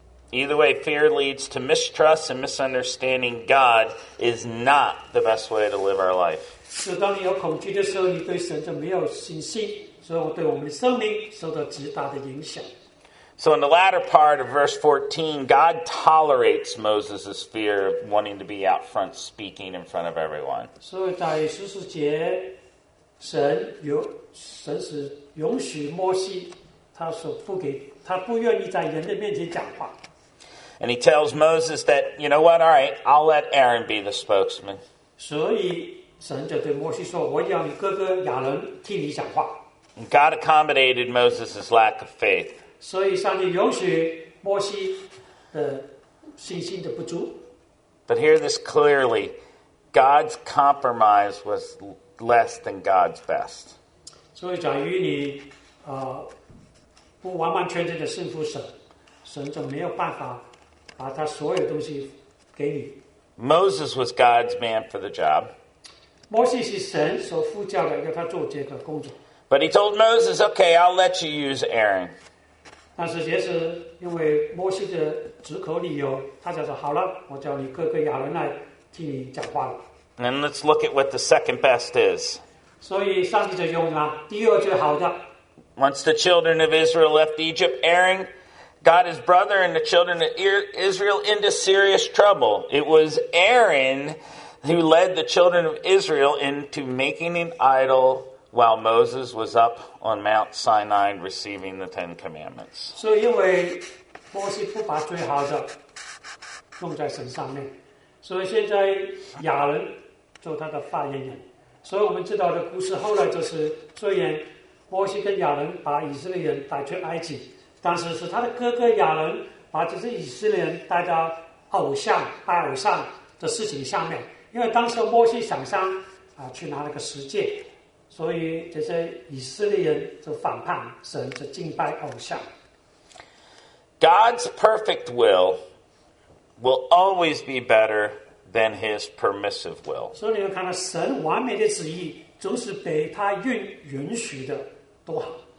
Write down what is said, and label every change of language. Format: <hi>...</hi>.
<en>Either way, fear leads to mistrust and misunderstanding God is not the best way to live our life.</en> <zh>是当你有恐惧的时候，你对神就没有信心，所以对我们的生命受到极大的影响。</zh> <en>So in the latter part of verse 14, God tolerates Moses' fear of wanting to be out front speaking in front of everyone.</en> <zh>所以在十四节，神是允许摩西，他说不给，他不愿意在人的面前讲话。</zh> <en>And he tells Moses that, you know what, all right, I'll let Aaron be the spokesman.</en> <zh>所以神就对摩西说，我要你哥哥亚伦替你讲话。</zh> <en>God accommodated Moses' lack of faith.</en> <zh>所以上帝允许摩西的信心的不足。</zh> <en>But hear this clearly, God's compromise was less than God's best.</en> <zh>所以在于你不完完全全的顺服神，神就没有办法把他所有东西给你。</zh> <en>Moses was God's man for the job.</en> <zh>摩西是神所呼召的，要他做这个工作。</zh> <en>But he told Moses, okay, I'll let you use Aaron.</en> <zh>但是也是因为摩西的指口里有，他就说好了，我叫你哥哥亚伦来替你讲话了。</zh> <en>And let's look at what the second best is.</en> <zh>所以上帝就用了第二最好的。</zh> <en>Once the children of Israel left Egypt, Aaron got his brother and the children of Israel into serious trouble. It was Aaron who led the children of Israel into making an idol while Moses was up on Mount Sinai receiving the Ten Commandments. So, because Moses didn't put the best part on God's side, so now Aaron is his speaker. So, we know the story later is that because Moses and Aaron brought the Israelites to Egypt.</en> <zh>但是是他的哥哥亚伦把这些以色列人带到偶像拜偶像的事情上面，因为当时摩西想上去拿了个十诫，所以这些以色列人就反叛神，就敬拜偶像。</zh> <en>God's perfect will always be better than His permissive will.</en> <zh>所以你们看到神完美的旨意总是比他允许的都好。</zh>